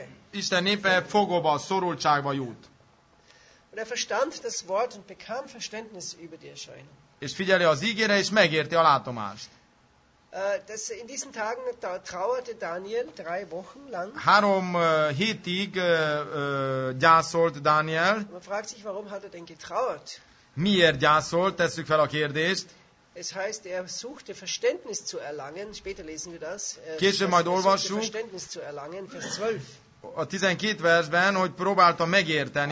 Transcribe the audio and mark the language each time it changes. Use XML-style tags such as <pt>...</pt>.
<hu>Isten népe fogóba, szorultságba jut.</hu> <de>Und er verstand das Wort und bekam Verständnis über die Erscheinung.</de> <hu>És figyeli az ígére, és megérti a látomást.</hu> <de>Das in diesen Tagen trauerte Daniel 3 Wochen lang.</de> <hu>3 hétig gyászolt Daniel.</hu> <de>Man fragt sich, warum hat er denn getrauert?</de> <hu>Miért gyászolt? Tesszük fel a kérdést.</hu> <de>Es heißt, er suchte Verständnis zu erlangen. Später lesen wir das.</de> <hu>Később majd olvassuk.</hu> <de>Suchte Verständnis zu erlangen, Vers 12.</de> <hu>A 12 versben, hogy próbálta megérteni.</hu>